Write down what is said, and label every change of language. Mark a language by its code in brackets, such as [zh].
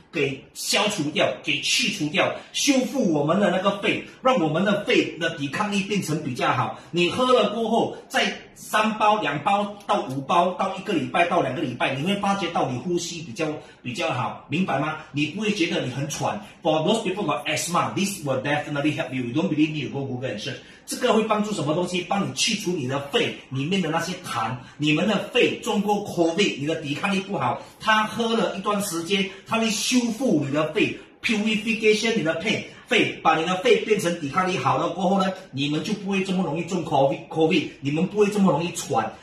[zh] 给消除掉，给去除掉，修复我们的那个肺，让我们的肺的抵抗力变成比较好。你喝了过后，再三包、两包到五包，到一个礼拜到两个礼拜，你会发觉到你呼吸比较好，明白吗？你不会觉得你很喘。 [en] For those people got asthma, this will definitely help you. You don't believe me? You go Google and search. [zh] 这个会帮助什么东西？帮你去除你的肺里面的那些痰。你们的肺中过 COVID， 你的抵抗力不好，他喝了一段时间，他会修复你的肺 ，purification 你的肺，把你的肺变成抵抗力好了过后呢，你们就不会这么容易中 COVID， 你们不会这么容易喘。